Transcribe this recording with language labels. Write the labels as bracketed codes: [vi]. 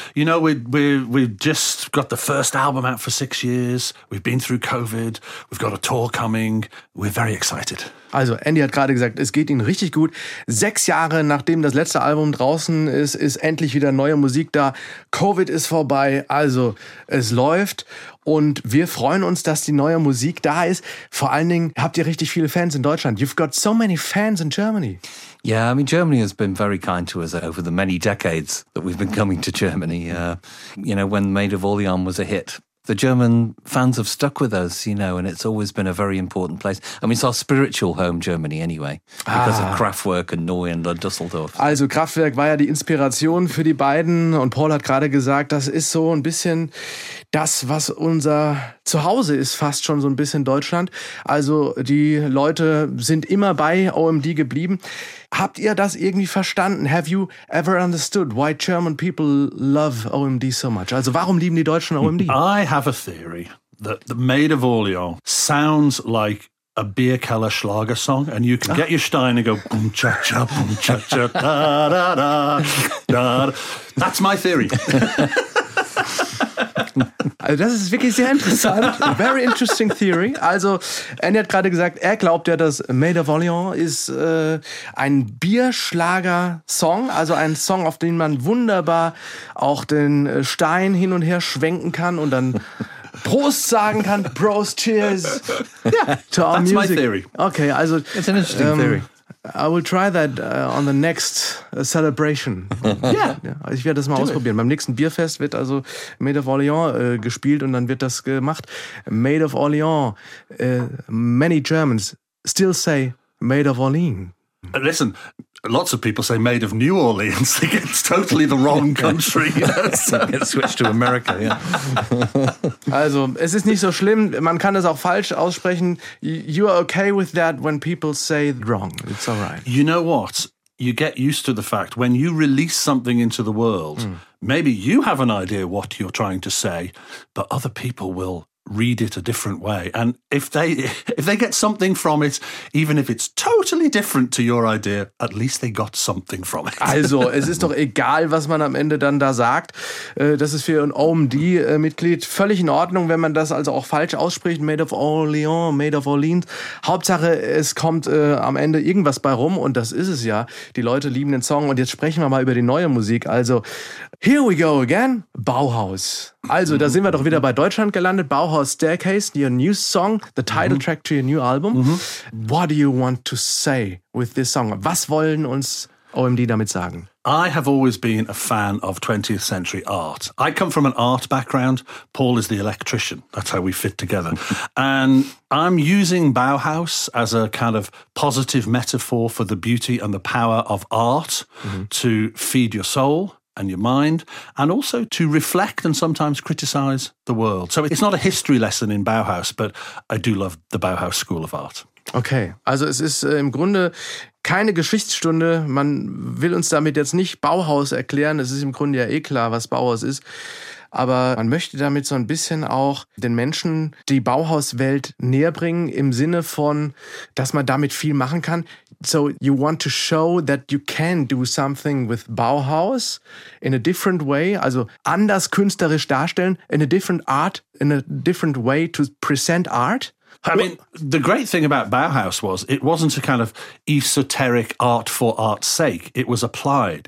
[en] You know, we've just got the first album out for 6 years. We've been through COVID. We've got a tour coming. We're very excited. [de] Also, Andy hat gerade gesagt, es geht Ihnen richtig gut. 6 Jahre, nachdem das letzte Album draußen ist, ist endlich wieder neue Musik da. Covid ist vorbei, also es läuft. Und wir freuen uns, dass die neue Musik da ist. Vor allen Dingen habt ihr richtig viele Fans in Deutschland. [en] You've got so many fans in Germany. Yeah, I mean, Germany has been very kind to us over the many decades that we've been coming to Germany. You know, when Made of Orleans was a hit. The German fans have stuck with us, you know, and it's always been a very important place. I mean, it's our spiritual home, Germany, anyway, because of Kraftwerk and Neu and Düsseldorf. [de] Also Kraftwerk war ja die Inspiration für die beiden. Und Paul hat gerade gesagt, das ist so ein bisschen das, was unser Zuhause ist, fast schon so ein bisschen Deutschland. Also die Leute sind immer bei OMD geblieben. Habt ihr das irgendwie verstanden? [en] Have you ever understood why German people love OMD so much? [de] Also warum lieben die Deutschen OMD? [en] I have a theory that the Made of Orleans sounds like a beer keller Schlager song and you can get your Stein and go boom cha cha boom cha cha da da da da. That's my theory. [de] Also das ist wirklich sehr interessant. [en] Very interesting theory. [de] Also Andy hat gerade gesagt, er glaubt ja, dass Made of Orleans ist ein Bierschlager-Song, also ein Song, auf den man wunderbar auch den Stein hin und her schwenken kann und dann Prost sagen kann. Prost, cheers. [en] Yeah, to our that's music. My theory. [de] Okay, also [en] it's an interesting theory. I will try that on the next celebration. Yeah. [de] Ja, ich werde das mal ausprobieren. Beim nächsten Bierfest wird also Made of Orleans gespielt und dann wird das gemacht. [en] Made of Orleans. Many Germans still say Made of Orleans. Listen, lots of people say Made of New Orleans. It's totally the wrong country. Get switched to America, yeah. [de] Also, es ist nicht so schlimm. Man kann es auch falsch aussprechen. [en] You are okay with that when people say wrong. It's all right. You know what? You get used to the fact when you release something into the world, maybe you have an idea what you're trying to say, but other people will read it a different way. And if they get something from it, even if it's totally different to your idea, at least they got something from it. [de] Also, es ist doch egal, was man am Ende dann da sagt. Das ist für ein OMD-Mitglied völlig in Ordnung, wenn man das also auch falsch ausspricht. Made of Orleans, Made of Orleans. Hauptsache, es kommt am Ende irgendwas bei rum. Und das ist es ja. Die Leute lieben den Song. Und jetzt sprechen wir mal über die neue Musik. Also, [en] here we go again. [de] Bauhaus. Also, da sind wir doch wieder bei Deutschland gelandet. [en] Bauhaus Staircase, your new song, the title track to your new album. Mm-hmm. What do you want to say with this song? [de] Was wollen uns OMD damit sagen? [en] I have always been a fan of 20th century art. I come from an art background. Paul is the electrician. That's how we fit together. And I'm using Bauhaus as a kind of positive metaphor for the beauty and the power of art to feed your soul and your mind, and also to reflect and sometimes criticize the world. So it's not a history lesson in Bauhaus, but I do love the Bauhaus School of Art. [de] Okay, also es ist im Grunde keine Geschichtsstunde. Man will uns damit jetzt nicht Bauhaus erklären. Es ist im Grunde ja eh klar, was Bauhaus ist. Aber man möchte damit so ein bisschen auch den Menschen die Bauhauswelt näher bringen, im Sinne von, dass man damit viel machen kann. [en] So you want to show that you can do something with Bauhaus in a different way, [de] also anders künstlerisch darstellen, [en] in a different art, in a different way to present art. I mean, the great thing about Bauhaus was it wasn't a kind of esoteric art for art's sake. It was applied.